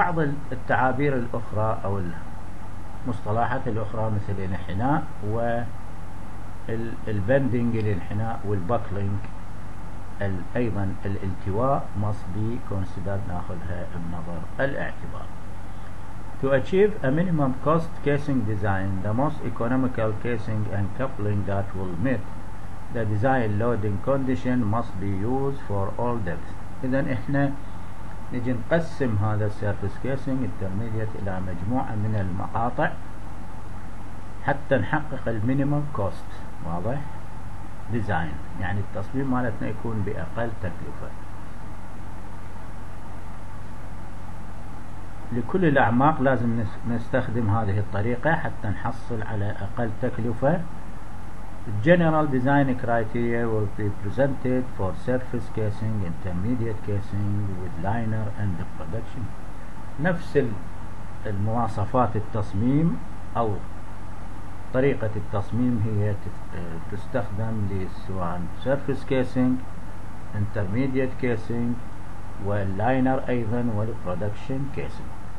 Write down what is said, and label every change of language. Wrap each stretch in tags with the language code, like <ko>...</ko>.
<ar>وبعض التعابير الأخرى أو المصطلحات الأخرى مثل الانحناء والبندنج الانحناء والبكلينج أيضا الالتواء</ar> <en>must be considered،</en> <ar>نأخذها بنظر الاعتبار.</ar> <en>To achieve a minimum cost casing design, the most economical casing and coupling that will meet the design loading condition must be used for all depths.</en> <ar>إذن إحنا نجي نقسم هذا surface casing intermediate إلى مجموعة من المقاطع حتى نحقق minimum cost، واضح؟ ديزاين يعني التصميم مالتنا يكون بأقل تكلفة لكل الأعماق. لازم نستخدم هذه الطريقة حتى نحصل على أقل تكلفة.</ar> <en>General design criteria will be presented for surface casing, intermediate casing with liner and production.</en> <ar>نفس المواصفات التصميم أو طريقة التصميم هي تستخدم لسواء surface casing, intermediate casing والliner أيضا والproduction casing.</ar>